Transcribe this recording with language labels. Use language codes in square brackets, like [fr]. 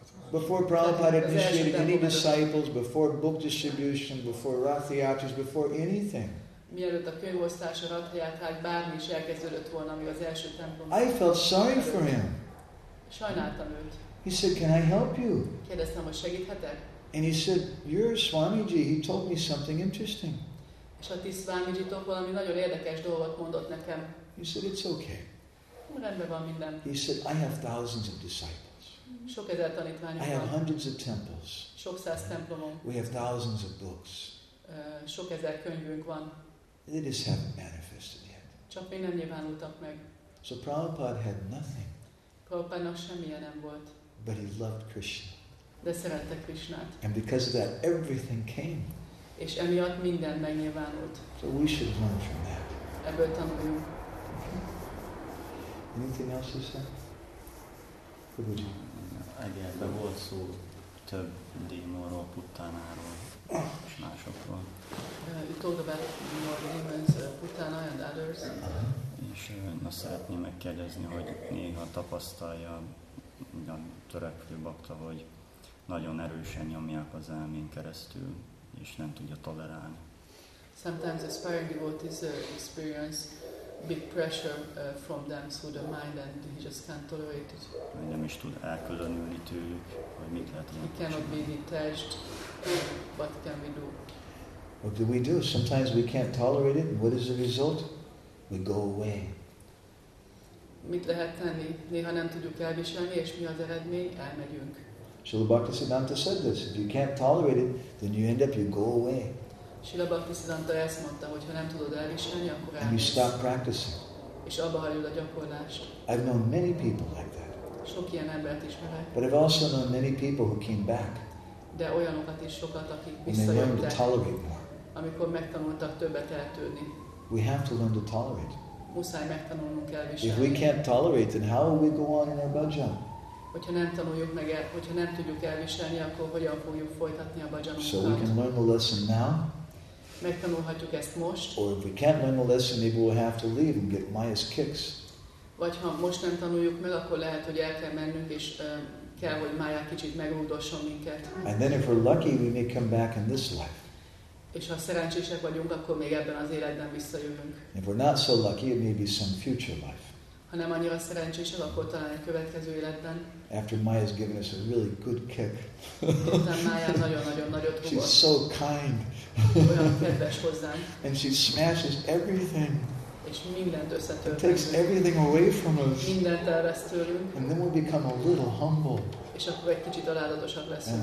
[en] Before Prabhupada initiated any disciples, before book distribution, before rathyatras, before anything. [hu] Mielőtt a könyvosztás, a rathyatrák, bármi is elkezdődött volna, ami az első templomban. [en] I felt sorry for him. [hu] Sajnáltam őt. [en] He said, can I help you? [hu] Kérdeztem, hogy segíthetek? [en] And he said, you're Swamiji, he told me something interesting. [hu] És a ti Swamiji-tok valami nagyon érdekes dolgot mondott nekem. [en] He said, it's okay. [hu] Rendben van minden. [en] He said, I have thousands of disciples. [hu] Sok ezer tanítványom van. [en] I have hundreds of temples. [hu] Sok száz templomom. [en] We have thousands of books. [hu] Sok ezer könyvünk van. [en] They just haven't manifested yet. [hu] Csak még nem nyilvánultak meg. [en] So Prabhupada had nothing. [hu] Prabhupádnak semmilyen nem volt. [en] But he loved Krishna. [hu] De szerette Krishnát. [en] And because of that, everything came. [hu] És emiatt minden megnyilvánult. [en] So we should learn from that. [hu] Ebből tanuljunk. [en] Okay. Anything else you say? Prabhuji. [hu] Egyébként volt szó több démonról, puttánáról és másokról. [en] You talked about more demons, puttana and others. [hu] És azt szeretném megkérdezni, hogy néha tapasztalja a törekvő bakta, hogy nagyon erősen nyomják az elmén keresztül, és nem tudja tolerálni. [en] Sometimes aspiring devotees experience big pressure from them through the mind and he just can't tolerate it. [hu] Hogy nem is tud elkülönülni tőlük, hogy mit lehet csinálni. [en] He cannot be detached. What can we do? What do we do? Sometimes we can't tolerate it. What is the result? We go away. [hu] Mit lehet tenni? Néha nem tudjuk elviselni, és mi az eredmény? Elmegyünk. [en] Srila Bhaktisiddhanta said this. If you can't tolerate it, then you end up, you go away. [hu] Srila Bhaktisiddhanta ezt mondta, hogy ha nem tudod elviselni, akkor [en] and you stop practicing. [hu] És abba hagyod a gyakorlást. [en] I've known many people like that. [hu] Sok ilyen embert ismerek. [en] But I've also known many people who came back. [hu] De olyanokat is sokat, akik visszajöttek. [en] To tolerate more. [hu] Amikor megtanultak többet eltűrni. [en] We have to learn to tolerate. [hu] muszáj megtanulnunk elviselni. [en] If we can't tolerate, then how will we go on in our bhajan? [hu] Hogyha nem tanuljuk meg, hogyha nem tudjuk elviselni, akkor hogyan fogjuk folytatni a bhajanunkat? [en] So we can learn the lesson now. [hu] Megtanulhatjuk ezt most. [en] Or if we can't learn the lesson, maybe we'll have to leave and get Maya's kicks. [hu] Vagy ha most nem tanuljuk meg, akkor lehet, hogy el kell mennünk, és kell, hogy Maya kicsit megrúdosson minket. [en] And then if we're lucky, we may come back in this life. [hu] És ha szerencsések vagyunk, akkor még ebben az életben visszajövünk. [en] If we're not so lucky, it may be some future life. [hu] Ha nem annyira szerencsések, akkor talán egy következő életben. [en] After Maya's given us a really good kick. [hu] Maya nagyon-nagyon-nagyon rúgott. [en] She's so kind. [hu] Olyan kedves hozzám. [en] And she smashes everything. [hu] És mindent összetörtünk. [en] Takes everything away from us. [hu] Mindent elvesz tőlünk. [en] And then we'll become a little humble. [hu] És akkor egy kicsit aláadatosabb leszünk.